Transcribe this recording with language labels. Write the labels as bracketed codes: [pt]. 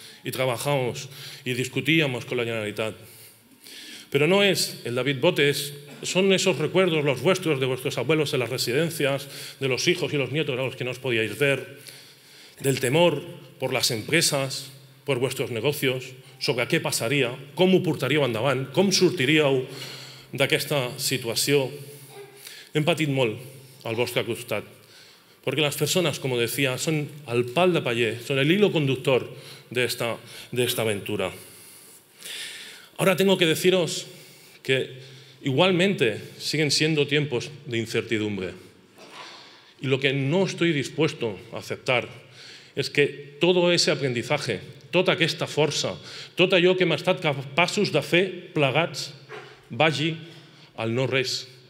[es] Y trabajamos y discutíamos con la Generalitat. Pero no es el David Botes, son esos recuerdos, los vuestros, de vuestros abuelos en las residencias, de los hijos y los nietos a los que no os podíais ver, del temor por las empresas, por vuestros negocios, [ca] sobre què passaria, com ho portaríeu endavant, com sortiríeu d'aquesta situació. Hem patit molt al vostre costat, perquè les persones, com deia, són el pal de paller, són [es] el hilo conductor [ca] d'esta aventura. [es] Ahora tengo que deciros que igualmente siguen siendo tiempos de incertidumbre. Y lo que no estoy dispuesto a aceptar es que todo ese aprendizaje, [ca] tota aquesta força, tot allò que hem estat capaços de fer plegats, vagi al no res.